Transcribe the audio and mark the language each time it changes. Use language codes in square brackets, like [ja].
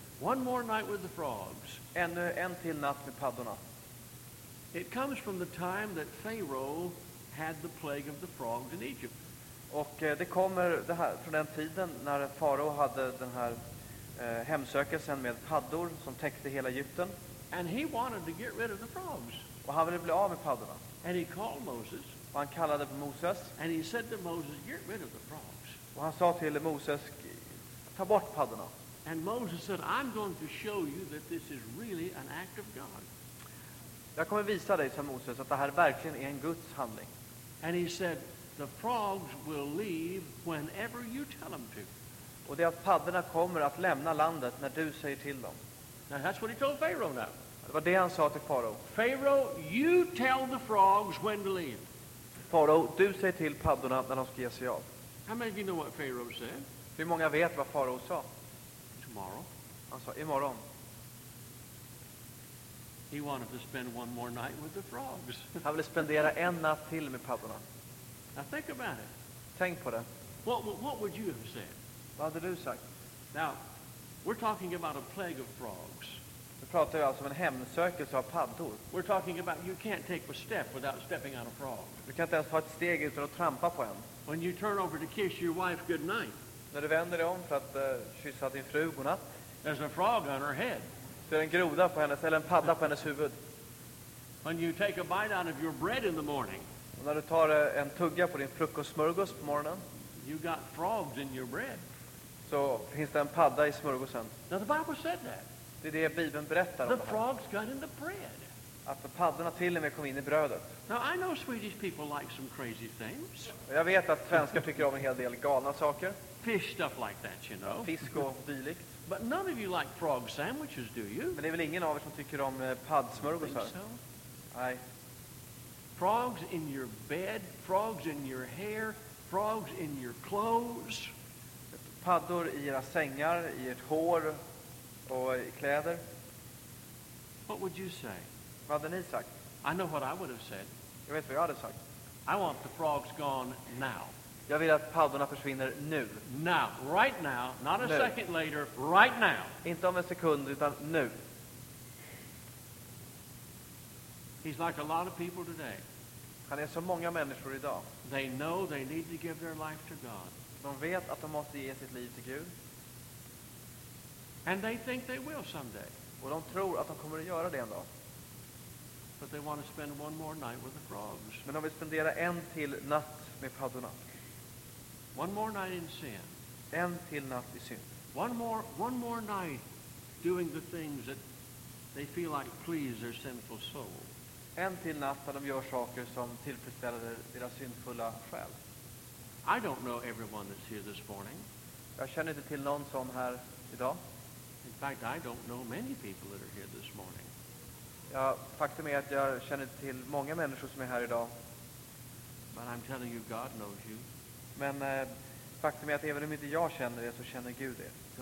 [en] One More Night with the Frogs. [sv] Ännu en till natt med paddorna. [en] It comes from the time that Pharaoh had the plague of the frogs in Egypt. [sv] Och det kommer det här, från den tiden när farao hade den här hemsökelsen med paddor som täckte hela Egypten. [en] And he wanted to get rid of the frogs. [sv] Och han ville bli av med paddorna. [en] And he called Moses. [sv] Och han kallade på Moses. [en] And he said to Moses, "Get rid of the frogs." [sv] Och han sa till Moses, ta bort paddorna. [en] And Moses said, "I'm going to show you that this is really an act of God." [sv] Jag kommer visa dig, sa Moses, att det här verkligen är en Guds handling. [en] And he said, "The frogs will leave whenever you tell them to." [sv] Och det är att paddorna kommer att lämna landet när du säger till dem. [en] Now that's what he told Pharaoh now. [sv] Det var det han sa till farao. [en] Pharaoh, you tell the frogs when to leave. [sv] Farao, du säger till paddorna när de ska ge sig av. [en] How many of you know what Pharaoh said? [sv] Hur många vet vad farao sa? [en] Tomorrow. [sv] Han sa, imorgon. [en] He wanted to spend one more night with the frogs. [sv] Han ville spendera en natt till med paddorna. [en] Now think about it. [sv] Tänk på det. [en] What would you have said? [sv] Vad hade du sagt? [en] Now, we're talking about a plague of frogs. [sv] Vi pratar alltså om en hemsökelse av paddor. [en] We're talking about you can't take a step without stepping on a frog. [sv] Du kan inte ens ta ett steg utan att trampa på en. [en] When you turn over to kiss your wife goodnight. [sv] När du vänder dig om för att kyssa din fru godnatt. [en] There's a frog on her head. [sv] Så är det en groda på hennes, eller en padda på hennes huvud. [en] When you take a bite out of your bread in the morning. [sv] Och när du tar en tugga på din frukostsmörgås på morgonen. [en] You got frogs in your bread. [sv] Så finns det en padda i smörgåsen. [en] Now the Bible said that. [sv] Det är det Bibeln berättar om. [en] The frogs got in the bread. [sv] Att paddorna till och med kom in i brödet. [en] Now I know Swedish people like some crazy things. [sv] Jag vet att svenskar tycker om en hel del galna saker. [en] Fish stuff like that, you know. [sv] Fisk och dylikt. [en] But none of you like frog sandwiches, do you? [sv] Men det är väl ingen av er som tycker om paddsmörgåsar? [en] Think so? [sv] Nej. [en] Frogs in your bed, frogs in your hair, frogs in your clothes. [sv] Paddor i era sängar, i ert hår och i kläder. [en] What would you say? [sv] Vad hade ni sagt? [en] I know what I would have said. [sv] Jag vet vad jag hade sagt. [en] I want the frogs gone now. [sv] Jag vill att paddorna försvinner nu. [en] Now, right now, not a nu. Second later, right now. [sv] Inte om en sekund, utan nu. [en] He's like a lot of people today. [sv] Han är så många människor idag. [en] They know they need to give their life to God. [sv] De vet att de måste ge sitt liv till Gud. [en] And they think they will someday. [sv] Och de tror att de kommer att göra det en dag. [en] But they want to spend one more night with the frogs. [sv] Men de vill spendera en till natt med paddorna. [en] One more night in sin. [sv] En till natt i synd. [en] One more night doing the things that they feel like please their sinful soul. [sv] En till natt där de gör saker som tillfredsställer deras syndfulla själ. [en] I don't know everyone that's here this morning. [sv] Jag känner inte till någon som här idag. [en] In fact, I don't know many people that are here this morning. [sv] Ja, faktum är att jag känner till många människor som är här idag. [en] But I'm telling you, God knows you. [sv] Men faktum är att även om inte jag känner det, så känner Gud det.